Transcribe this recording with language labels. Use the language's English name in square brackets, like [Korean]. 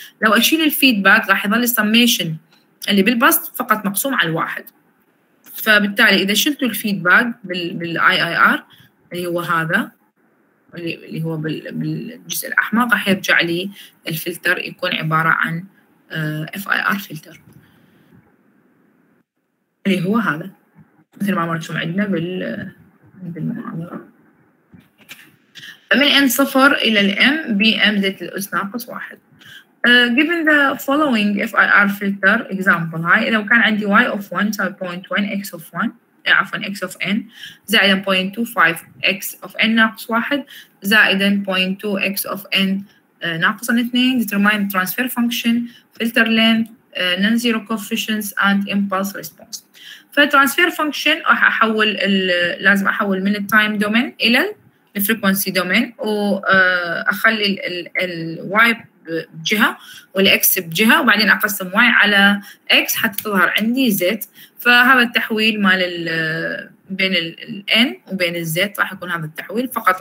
[Arabic] لو أشيل الفيدباك راح يظل summation اللي بالبسط فقط مقسوم على الواحد، فبالتالي إذا شلتوا الفيدباك بالـ IIR اللي هو هذا اللي هو بالجزء الأحمر، راح يرجع لي الفلتر يكون عبارة عن FIR فلتر اللي هو هذا مثل ما مرتم عندنا بالمعادلة من N صفر إلى الـ M BM زيت الأس ناقص واحد. [English] Given the following FIR filter example, [Arabic] هاي إذا كان عندي y of 1 تساوي 0.1 x of 1 عفوا x of n زائدا 0.25 x of n ناقص 1 زائدا 0.2 x of n ناقص 2، [English] determine transfer function, filter length, non-zero coefficients and impulse response. [Arabic] فالترانسفير فانكشن احول لازم احول من التايم دومين الى الفريكوانسي دومين، واخلي الواي بجهة والاكس بجهة، وبعدين اقسم واي على اكس حتى تظهر عندي زيت. فهذا التحويل مال بين الان وبين الزيت، راح يكون هذا التحويل فقط.